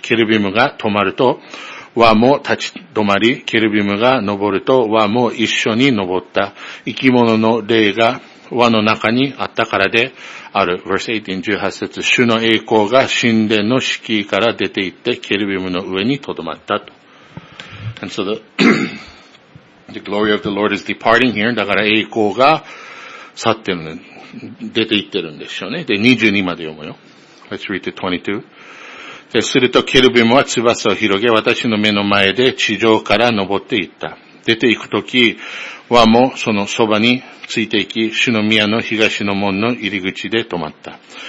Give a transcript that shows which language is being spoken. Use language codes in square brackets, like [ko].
[ja] ケルビムが止まると、はもう立ち止まり、ケルビムが登ると、はもう一緒に登った。生き物の霊が、輪の中にあったからである。 [en] Verse 18, [ja] 18節、主の栄光が神殿の敷居から出て行って、ケルビムの上に留まったと。 [en] And so the glory of the Lord is departing here. [ja] だから栄光が去ってる、出て行ってるんでしょうね。で、22まで読むよ。 [en] Let's read to 22. [ja] で、するとケルビムは翼を広げ、私の目の前で地上から登っていった。出て行くときはもうそのそばについていき、主の宮の東の門の入り口で止まった。